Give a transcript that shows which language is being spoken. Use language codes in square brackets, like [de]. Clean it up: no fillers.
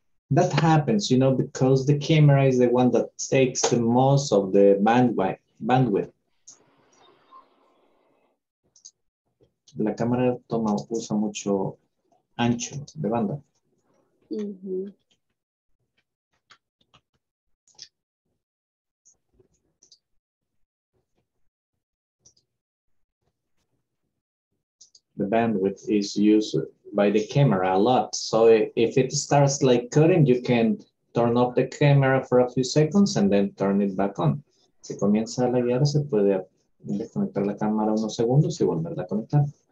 [en] That happens, you know, because the camera is the one that takes the most of the bandwidth. [es] La cámara toma, usa mucho ancho de banda. [en] The bandwidth is used by the camera a lot. So if it starts like cutting, you can turn off the camera for a few seconds and then turn it back on. [es] Si comienza a laguear, se puede desconectar la cámara unos segundos y volverla a conectar.